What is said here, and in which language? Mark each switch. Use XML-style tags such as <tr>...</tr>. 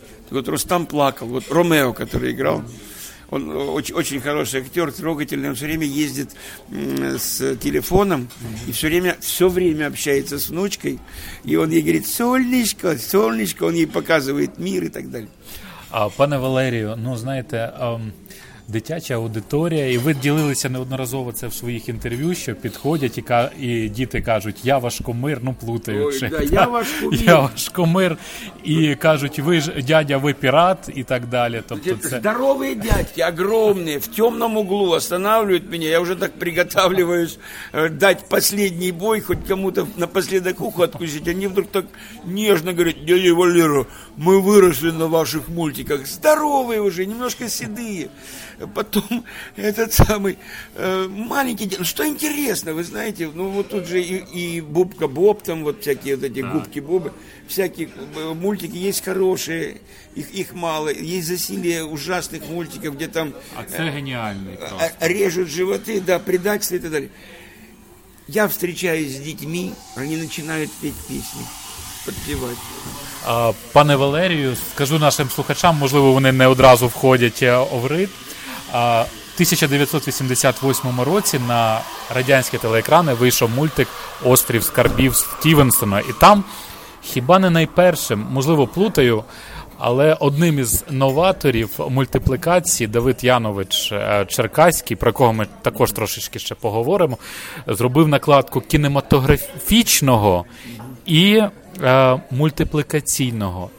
<ru>Вот Рустам плакал, вот Ромео, который играл, он очень, очень хороший актер, трогательный, он все время ездит с телефоном и все время общается с внучкой, и он ей говорит: «Солнышко, солнышко», он ей показывает мир и так далее.</ru> <uk>А, пане Валерію, ну знаєте, дитяча аудиторія, і ви ділилися неодноразово це в своїх інтерв'ю, що підходять і діти кажуть: «Я ваш кумир», ну плутаючи. «Я ваш кумир». І кажуть: «Ви ж дядя, ви пірат» і так далі. Тобто це... Здорові дядьки, огромні, в темному углу останавливають мене, я вже так приготовлююсь дати останній бой, хоч кому-то напоследок ухо відкусити. Вони вдруг так нежно говорять: «Дядя Валера, ми виросли на ваших мультиках». Здорові вже, немножко сідые.</uk> <ru>Потом этот самый маленький... Что интересно, вы знаете, ну вот тут же и Бубка Боб, там вот всякие вот эти губки-бобы, всякие мультики есть хорошие, их мало, есть засилие ужасных мультиков, где там... А это гениальный просто. Режут животы, да, предательство и так далее. Я встречаюсь с детьми, они начинают петь песни, подпевать.</ru> <uk>Пане Валерію, скажу нашим слухачам, можливо, вони не одразу входять в ритм. У 1988 році на радянські телеекрани вийшов мультик «Острів скарбів» Стівенсона. І там, хіба не найпершим, можливо, плутаю, але одним із новаторів мультиплікації Давид Янович Черкаський, про кого ми також трошечки ще поговоримо, зробив накладку кінематографічного і мультиплікаційного.</uk>